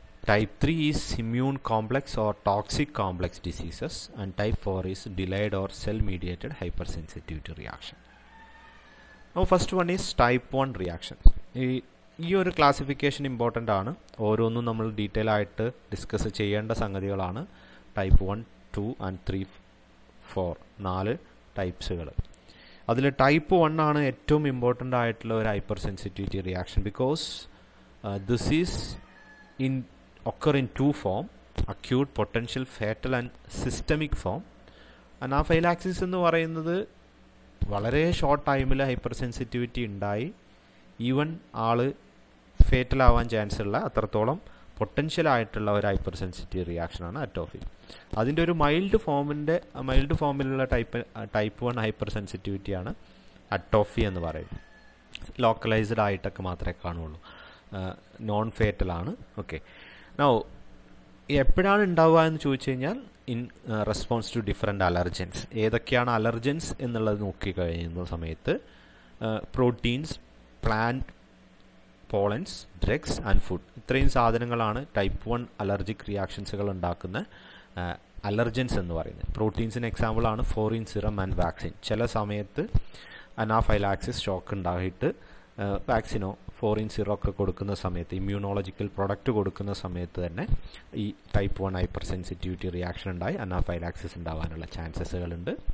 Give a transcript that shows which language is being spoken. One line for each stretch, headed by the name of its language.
English: Type 3 is immune complex or toxic complex diseases. And Type 4 is delayed or cell mediated hypersensitivity reaction. First one is Type 1 reaction.
Malayalam: ഈ ഒരു classification important ആണ്, ഓരോന്നും നമ്മൾ detail ആയിട്ട് discuss ചെയ്യേണ്ട സംഗതികളാണ്.
English: Type 1, 2 and 3, 4 ടൈപ്സുകൾ.
Malayalam: അതിൽ type 1 ആണ് ഏറ്റവും ഇമ്പോർട്ടൻ്റ് ആയിട്ടുള്ള ഒരു hyper sensitivity reaction,
English: Because this is in occur in 2 form, acute potential fatal and systemic form.
Malayalam: Anaphylaxis എന്ന് പറയുന്നത് വളരെ ഷോർട്ട് ടൈമിൽ ഹൈപ്പർ സെൻസിറ്റിവിറ്റി ഉണ്ടായി ഈവൺ ആള് ഫേറ്റൽ ആവാൻ ചാൻസ് ഉള്ള അത്രത്തോളം പൊട്ടൻഷ്യലായിട്ടുള്ള ഒരു ഹൈപ്പർ സെൻസിറ്റീവ് റിയാക്ഷനാണ് അറ്റോഫി. അതിൻ്റെ ഒരു മൈൽഡ് ഫോമിൻ്റെ മൈൽഡ് ഫോമിലുള്ള ടൈപ്പ് 1 ഹൈപ്പർ സെൻസിറ്റിവിറ്റിയാണ് അറ്റോഫി എന്ന് പറയുന്നത്. ലോക്കലൈസ്ഡ് ആയിട്ടൊക്കെ മാത്രമേ കാണുകയുള്ളൂ, നോൺ ഫേറ്റലാണ്. ഓക്കെ, നൗ എപ്പോഴാണ് ഉണ്ടാവുക എന്ന് ചോദിച്ചു കഴിഞ്ഞാൽ
English: in response to different allergens.
Malayalam: ഏതൊക്കെയാണ് അലർജൻസ് എന്നുള്ളത് നോക്കിക്കഴിയുന്ന സമയത്ത് proteins, plant pollens, drugs and food, ഇത്രയും സാധനങ്ങളാണ് ടൈപ്പ് വൺ അലർജിക് റിയാക്ഷൻസുകൾ ഉണ്ടാക്കുന്ന അലർജൻസ് എന്ന് പറയുന്നത്. പ്രോട്ടീൻസിന് എക്സാമ്പിൾ ആണ് ഫോറിൻ സിറം ആൻഡ് വാക്സിൻ. ചില സമയത്ത് അനാഫൈലാക്സിസ് ഷോക്ക് ഉണ്ടായിട്ട് വാക്സിനോ ഫോറിൻ സിറോ ഒക്കെ കൊടുക്കുന്ന സമയത്ത്, ഇമ്മ്യൂണോളജിക്കൽ പ്രൊഡക്റ്റ് കൊടുക്കുന്ന സമയത്ത് തന്നെ ഈ type one hyper sensitivity reaction ഉണ്ടായി അനാഫൈലാക്സിസ് ഉണ്ടാവാനുള്ള ചാൻസസുകളുണ്ട്.